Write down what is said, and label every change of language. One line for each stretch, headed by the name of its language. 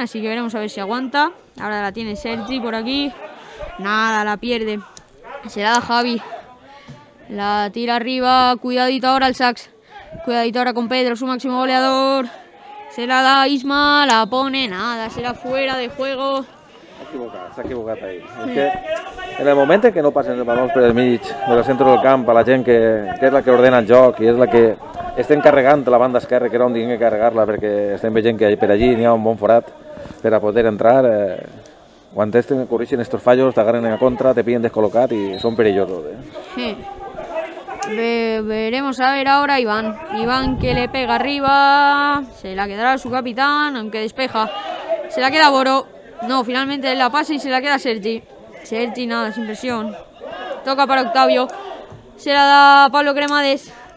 Spanish: Así que veremos a ver si aguanta. Ahora la tiene Sergi por aquí. Nada, la pierde. Se la da Javi. La tira arriba, cuidadito ahora el Sax. Cuidadito ahora con Pedro, su máximo goleador. Se la da Isma, la pone, nada, será fuera de juego.
Catalan: S'ha equivocat ahí. Es que en el moment en què no passen els balons per el mig del centre del camp a la gent que és la que ordena el joc i és la que estem carregant la banda esquerra, que era on tinguem que carregar-la, perquè estem veient que per allí n'hi ha un bon forat per a poder entrar. Quan estem corrigint estos fallos, t'agarren a contra, te pillen descol·locat i són perillosos.
Spanish: Veremos a ver ahora Iván. Iván que le pega arriba, se la quedará su capitán, aunque despeja. Se la queda Boro. No, finalmente la pasa y se la queda Sergi. Sergi nada, sin presión. Toca para Octavio. Se la da Pablo Cremades.